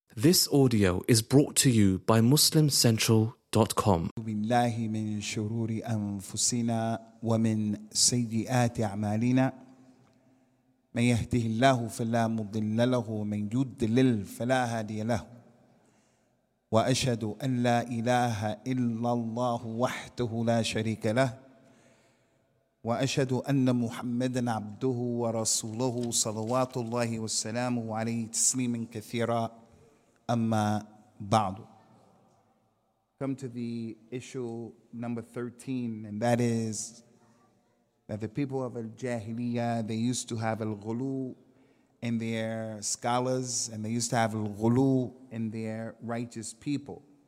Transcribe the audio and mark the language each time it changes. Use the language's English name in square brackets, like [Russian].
[English] This audio is brought to you by MuslimCentral.com. [Arabic] بالله من شرور أنفسنا ومن سيئات أعمالنا. من يهده الله فلا مضل له ومن يضلل فلا هادي له. وأشهد أن لا إله إلا الله وحده لا شريك له. وأشهد أن محمدا عبده ورسوله صلوات الله والسلام عليه تسليما كثيرا. Amma Ba'du. [English] Come to the issue number 13, and that is that the people of Al-Jahiliyyah, they used to have Al-Ghulu in their scholars, and they used to have Al-Ghulu in their righteous people.